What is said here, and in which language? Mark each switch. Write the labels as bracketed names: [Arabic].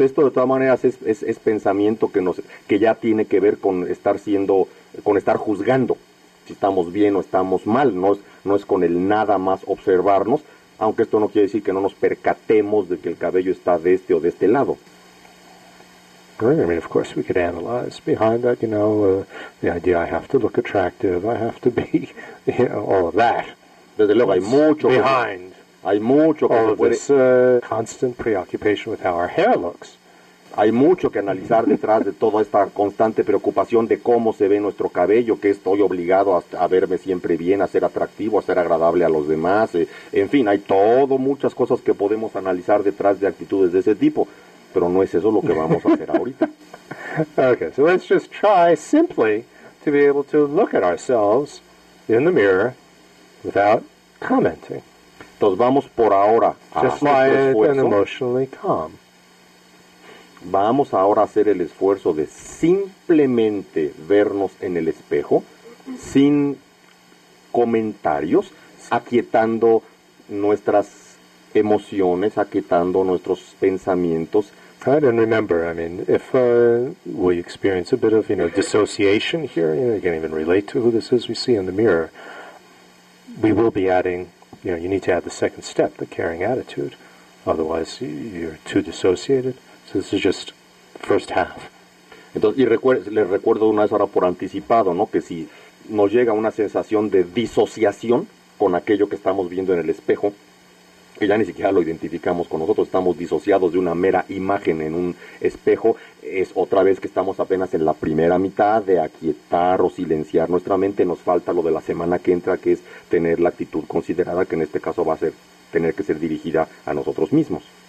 [Spanish] Esto de todas maneras es pensamiento que ya tiene que ver con estar juzgando si estamos bien o estamos mal. No es con el nada más observarnos, aunque esto no quiere decir que no nos percatemos de que el cabello está de este o de este lado. [English] I mean, of course, we could analyze behind that, you know, the idea I have to look attractive, I have to be, you know, all of that. [Spanish] Desde luego, hay mucho [English] behind. [Spanish] Hay mucho [English] all of this constant preoccupation with how our hair looks. [Spanish] Hay mucho que analizar detrás de toda esta constante preocupación de cómo se ve nuestro cabello, que estoy obligado a verme siempre bien, a ser atractivo, a ser agradable a los demás. En fin, hay todo muchas cosas que podemos analizar detrás de actitudes de ese tipo. Pero no es eso lo que vamos a hacer ahorita. [English] Okay, so let's just try simply to be able to look at ourselves in the mirror without commenting. [Spanish] Entonces vamos por ahora a [English] just [Spanish] hacer el esfuerzo. [English] And emotionally calm. [Spanish] Vamos ahora a hacer el esfuerzo de simplemente vernos en el espejo sin comentarios, aquietando nuestras emociones, aquietando nuestros pensamientos. [English] Right, and remember, I mean, if we experience a bit of, you know, dissociation here, you know, you can't even relate to who this is we see in the mirror, we will be adding, you know, you need to add the second step, the caring attitude. Otherwise, you're too dissociated. So this is just first half. [Spanish] Entonces, les recuerdo una vez ahora por anticipado, ¿no? Que si nos llega una sensación de disociación con aquello que estamos viendo en el espejo, que ya ni siquiera lo identificamos con nosotros, estamos disociados de una mera imagen en un espejo, es otra vez que estamos apenas en la primera mitad de aquietar o silenciar nuestra mente, nos falta lo de la semana que entra, que es tener la actitud considerada, que en este caso va a ser tener que ser dirigida a nosotros mismos.